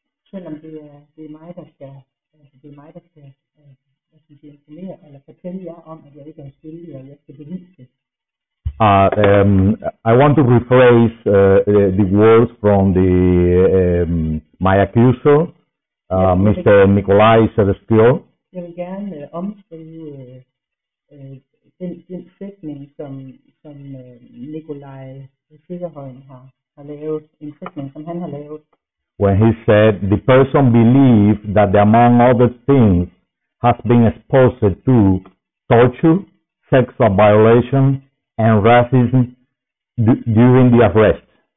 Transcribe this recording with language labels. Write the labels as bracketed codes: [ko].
[da] Selvom det er mig, der skal, altså det er mig, der skal, hvad skal jeg sige, informere eller fortælle jer om, at jeg ikke er skyldig, og jeg skal bevise det. [en] I want to rephrase the words from the my accuser, Mr. Nikolai Sedeskyo. [da] Jeg vil gerne omskrive den sætning, som Nikolai Sederhøjen har lavet, en sætning, som han har lavet. [en] When he said the person believed that the, among other things, has been exposed to torture, sexual violation, and racism during the arrest.